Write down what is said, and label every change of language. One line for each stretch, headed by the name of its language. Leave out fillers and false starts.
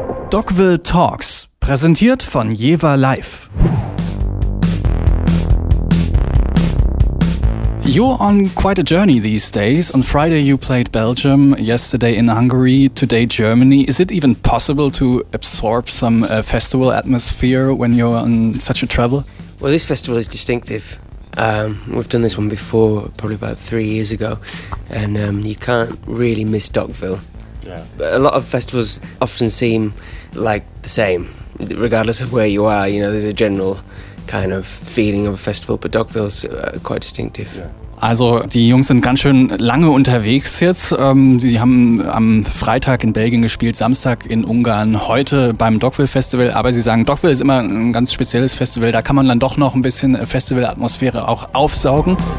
German: Dogville Talks, präsentiert von Jewa Live.
English: You're on quite a journey these days. On Friday you played Belgium, yesterday in Hungary, today Germany. Is it even possible to absorb some festival atmosphere when you're on such a travel? Well, this festival is distinctive. We've done this one before, probably about 3 years ago, and you can't really miss Dogville. Yeah. A lot of festivals often seem like the same, regardless of where you are. You know, there's a general kind of feeling of a festival, but Dogville's quite distinctive. Yeah.
German: Also, die Jungs sind ganz schön lange unterwegs jetzt. Die haben am Freitag in Belgien gespielt, Samstag in Ungarn, heute beim Dogville Festival. Aber sie sagen, Dogville ist immer ein ganz spezielles Festival. Da kann man dann doch noch ein bisschen Festival-Atmosphäre auch aufsaugen.